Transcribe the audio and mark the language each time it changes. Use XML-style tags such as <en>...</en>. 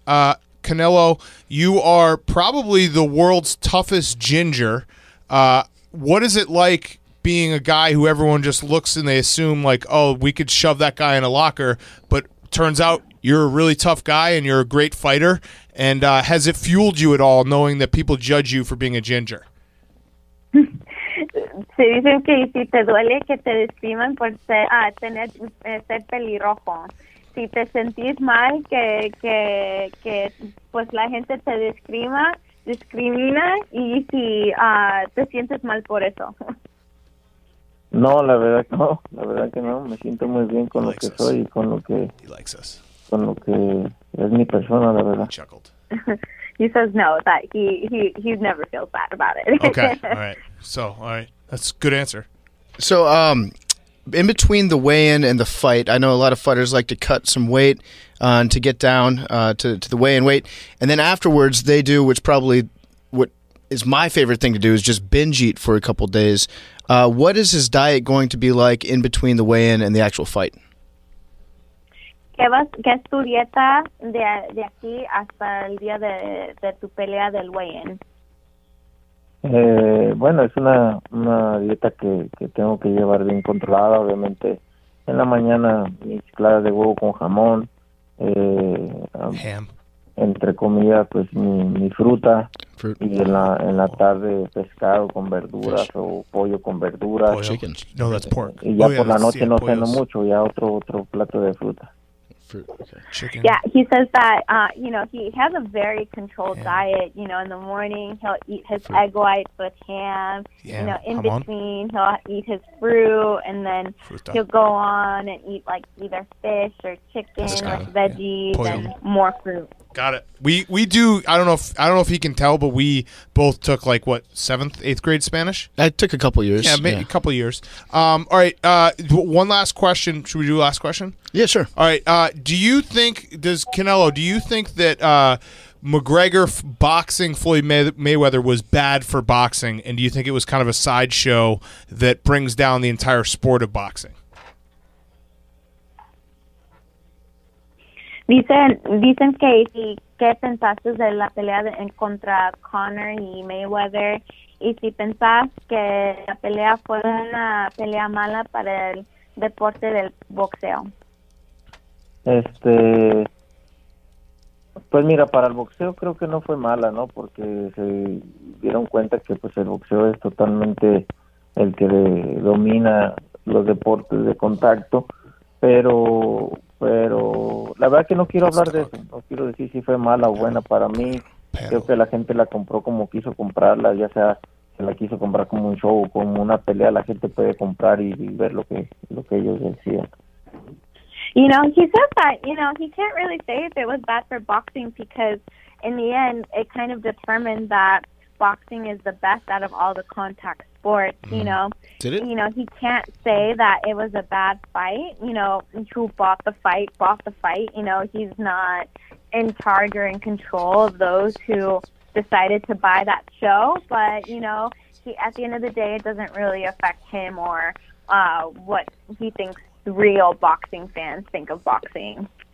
<en>Canelo, you are probably the world's toughest ginger. What is it like being a guy who everyone just looks and they assume like, oh, we could shove that guy in a locker, but turns out you're a really tough guy and you're a great fighter? And has it fueled you at all knowing that people judge you for being a ginger?</en> <es>Se dicen que si te duele que te estiman por ser, ser pelirrojo. Si te sentís mal que pues la gente te discrimina y si te sientes mal por eso. No, la verdad que no. La verdad que no. Me siento muy bien con lo que soy y con lo que...</es> <en>He likes us.</en> <es>Con lo que es mi persona, la verdad.</es> <en>He chuckled. He says no, that he never feels bad about it. Okay, all right. So, all right. That's a good answer. So, in between the weigh-in and the fight, I know a lot of fighters like to cut some weight to get down to the weigh-in weight. And then afterwards, they do, which probably what is my favorite thing to do, is just binge eat for a couple days. What is his diet going to be like in between the weigh-in and the actual fight?</en> <es>¿Qué es tu dieta de aquí hasta el día de tu pelea del weigh-in? Bueno, es una dieta que tengo que llevar bien controlada, obviamente. En la mañana, mis claras de huevo con jamón.</es> <en>Ham.</en> <es>Entre comillas, pues, mi fruta.</es> <en>Fruit.</en> <es>Y en la tarde, pescado con verduras. Fish. O pollo con verduras.</es> <en>Boil. Chicken. No, that's pork.</en> <es>Y ya por la noche no ceno mucho, ya otro plato de fruta.</es> <en>Okay. Yeah, he says that, you know, he has a very controlled diet. You know, in the morning, he'll eat his fruit. Egg whites with ham. Yeah. You know, in Come between, on. He'll eat his fruit, and then</en> <es>Fruta.</es> <en>He'll go on and eat, like, either fish or chicken or veggies and more fruit. Got it. We do, I don't know if he can tell, but we both took, like, what, 7th, 8th grade Spanish? I took a couple years. Yeah, maybe a couple years. All right, one last question. Should we do last question? Yeah, sure. All right, do you think that McGregor boxing Floyd Mayweather was bad for boxing, and do you think it was kind of a sideshow that brings down the entire sport of boxing?</en> <es>Dicen que si qué pensaste de la pelea en contra Conor y Mayweather, y si pensás que la pelea fue una pelea mala para el deporte del boxeo. Pues mira, para el boxeo creo que no fue mala, ¿no? Porque se dieron cuenta que pues el boxeo es totalmente el que domina los deportes de contacto, pero la verdad que no quiero hablar de eso, no quiero decir si fue mala o buena para mí. Creo que la gente la compró como quiso comprarla, ya sea se la quiso comprar como un show o como una pelea, la gente puede comprar y ver lo que ellos decían.</es> <en>You know, he says that, you know, he can't really say if it was bad for boxing because in the end, it kind of determined that boxing is the best out of all the contact sports, you know. Did it? You know, he can't say that it was a bad fight, you know, who bought the fight, you know, he's not in charge or in control of those who decided to buy that show, but, you know, he, at the end of the day, it doesn't really affect him or what he thinks real boxing fans think of boxing.</en>